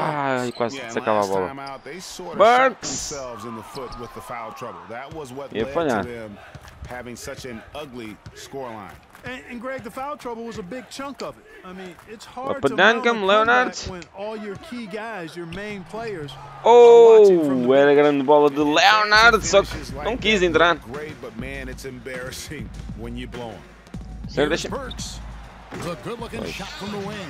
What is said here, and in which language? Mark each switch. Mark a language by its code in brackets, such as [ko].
[pt] Ah, quase se acaba a bola. [en] Having such an ugly scoreline. And Greg, the foul trouble was a big chunk of it. I mean, it's hard up to Duncan, Leonard. When all your key guys, your main players. [pt] Oh, era a grande bola de Leonard, só que não quis entrar. [en] Great, but man, it's embarrassing when you blow him.